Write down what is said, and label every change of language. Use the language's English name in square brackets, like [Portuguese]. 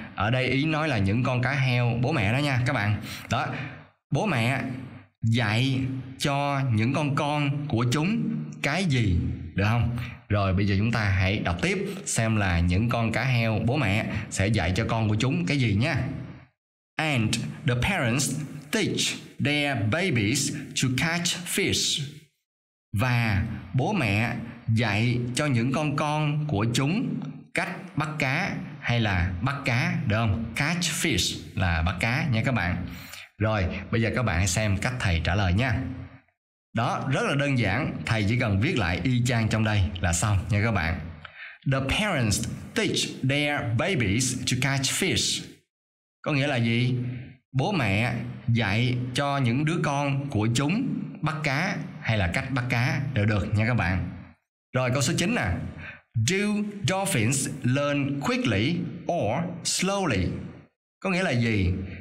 [Vietnamese] Ở đây ý nói là những con cá heo bố mẹ đó nha các bạn. Đó, bố mẹ dạy cho những con của chúng cái gì, được không? Rồi bây giờ chúng ta hãy đọc tiếp xem là những con cá heo bố mẹ sẽ dạy cho con của chúng cái gì nha. [English] And the parents teach their babies to catch fish. [Vietnamese] Và bố mẹ dạy cho những con của chúng cách bắt cá hay là bắt cá, được không? [English] Catch fish [Vietnamese] là bắt cá nha các bạn. Rồi, bây giờ các bạn hãy xem cách thầy trả lời nha. Đó, rất là đơn giản, thầy chỉ cần viết lại y chang trong đây là xong nha các bạn. [English] The parents teach their babies to catch fish. [Vietnamese] Có nghĩa là gì? Bố mẹ dạy cho những đứa con của chúng bắt cá hay là cách bắt cá đều được nha các bạn. Rồi, câu số 9 nè. [English] Do dolphins learn quickly or slowly? [Vietnamese] Có nghĩa là gì?